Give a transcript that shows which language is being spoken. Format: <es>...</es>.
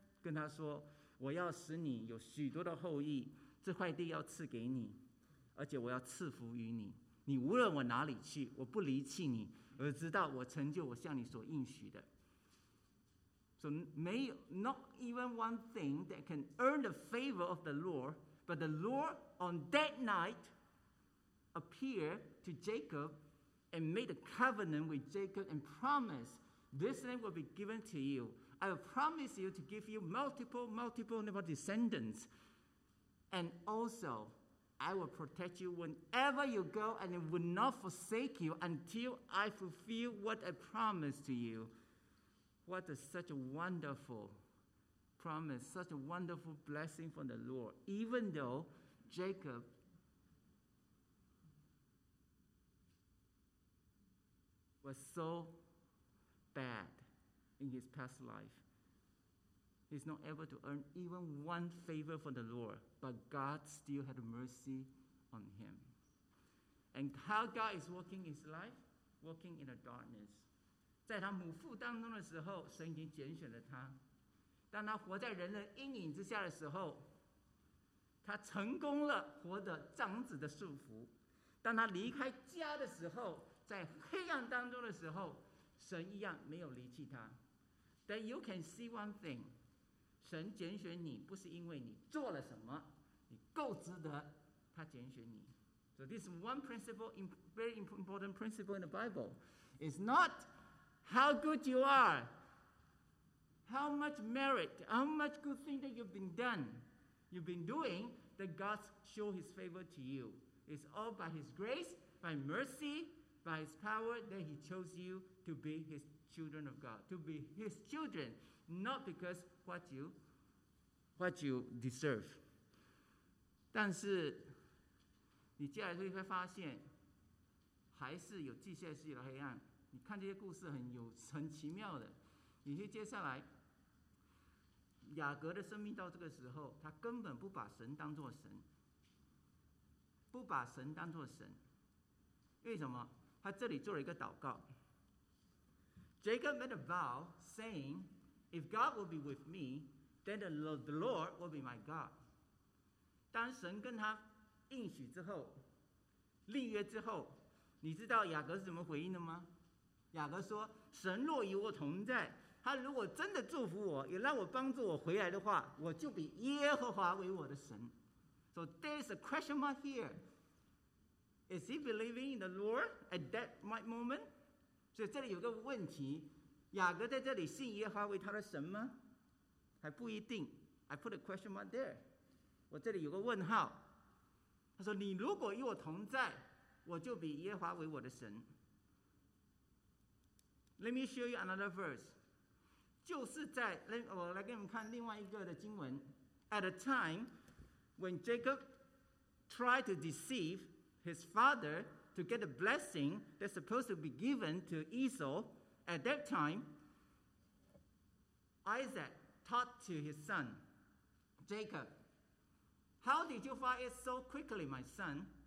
<zh>跟他说，我要使你有许多的后裔，这块地要赐给你，而且我要赐福于你，你无论我哪里去，我不离弃你，而直到我成就我向你所应许的。</zh> <en>So, not even one thing that can earn the favor of the Lord, but the Lord on that night appeared to Jacob and made a covenant with Jacob and promised, this land will be given to you. I will promise you to give you multiple descendants. And also, I will protect you whenever you go, and it will not forsake you until I fulfill what I promised to you. What a such a wonderful promise, such a wonderful blessing from the Lord. Even though Jacob was so bad in his past life, he's not able to earn even one favor from the Lord, but God still had mercy on him. And how God is working his life? Working in the darkness.</en> <zh>在他母腹当中的时候，神已经拣选了他。当他活在人的阴影之下的时候，他成功了活得长子的束缚。当他离开家的时候，在黑暗当中的时候，神一样没有离弃他。</zh> <en>Then you can see one thing，</en> <zh>神拣选你不是因为你做了什么，你够值得他拣选你。</zh> <en>So this is one principle, very important principle in the Bible. It's not how good you are, how much merit, how much good thing that you've been done, you've been doing, that God show his favor to you. It's all by his grace, by mercy, by his power that he chose you to be his children of God, to be his children, not because what you deserve.</en> <zh>但是你接下来会发现还是有既现实的黑暗。你看这些故事很奇妙的。你去接下来雅各的生命到这个时候，他根本不把神当作神，不把神当作神。为什么？他这里做了一个祷告。</zh> <en>Jacob made a vow saying, if God will be with me, then the Lord will be my God.</en> <zh>当神跟他应许之后，立约之后，你知道雅各是怎么回应的吗？雅各说，神若与我同在，他如果真的祝福我，也让我帮助我回来的话，我就比耶和华为我的神。</zh> <en>So there's a question mark here. Is he believing in the Lord at that right moment?</en> <zh>所以这里有个问题，雅各在这里信耶和华为他的神吗？还不一定。</zh> <en>I put a question mark there.</en> <zh>我这里有个问号。他说，你如果与我同在，我就比耶和华为我的神。</zh> <en>Let me show you another verse.</en> <zh>就是在，我来给你们看另外一个的经文。</zh> <en>At a time when Jacob tried to deceive his father to get a blessing that's supposed to be given to Esau, at that time, Isaac talked to his son, Jacob, how did you find it so quickly, my son?</en>